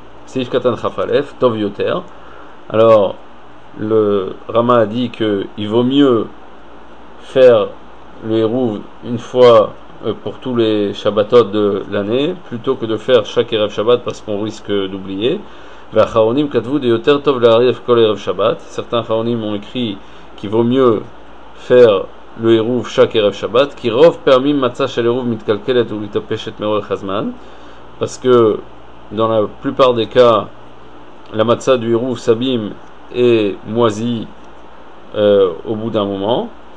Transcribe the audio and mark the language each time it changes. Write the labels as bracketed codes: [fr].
[he] Seif Katan Chafalef, Tov Yoter. [fr] Alors, le Rama a dit qu'il vaut mieux faire le Hérouv une fois pour tous les Shabbatot de l'année, plutôt que de faire chaque Erev Shabbat parce qu'on risque d'oublier. [he] והאחרונים כתבו די יותר טוב לערב כל ערב שבת. [fr] certains אחרונים ont écrit qu'il vaut mieux faire le עירוב chaque ערב שבת, [he] כי רוב פעמים מצה של עירוב מתקלקלת ומתאפשת מאורך הזמן, [fr] parce que dans la plupart des cas la matza du עירוב s'abîme et moisit au bout d'un moment.